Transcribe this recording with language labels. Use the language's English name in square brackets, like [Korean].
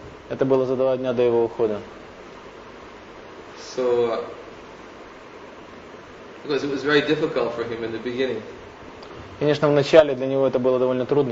[Russian] Это было за два дня до его ухода. [English] So, because it was very difficult for him in the beginning. [Russian] Конечно, в начале для него это было довольно трудно.